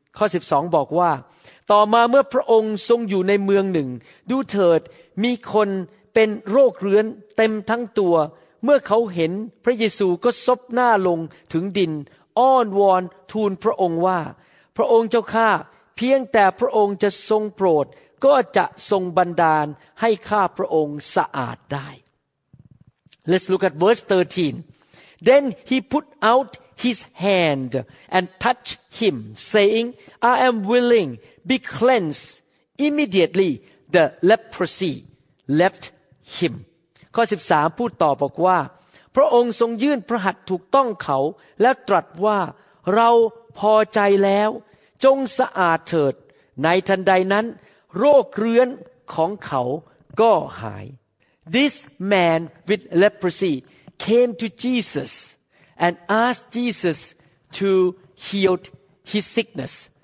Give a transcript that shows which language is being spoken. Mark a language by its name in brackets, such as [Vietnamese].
[Thai] ข้อ 12 บอกว่าต่อมาเมื่อพระองค์ทรงอยู่ในเมืองหนึ่งดูเถิดมีคนเป็นโรคเรื้อนเต็มทั้งตัวเมื่อเขาเห็นพระเยซูก็ซบหน้าลงถึงดินอ้อนวอนทูลพระองค์ว่าพระองค์เจ้าข้าเพียงแต่พระองค์จะทรงโปรดก็จะทรงบันดาลให้ข้าพระองค์สะอาดได้ [English] Let's look at verse 13. Then he put out his hand and touched him, saying, I am willing, be cleansed. Immediately, the leprosy left him. [Thai] ข้อ 13 พูดต่อบอกว่าพระองค์ทรงยื่นพระหัตถ์ถูกต้องเขาและตรัสว่าเราพอใจแล้วจงสะอาดเถิดในทันใดนั้นโรคเรื้อนของเขาก็หาย [English] This man with leprosy came to Jesus and asked Jesus to heal his sickness.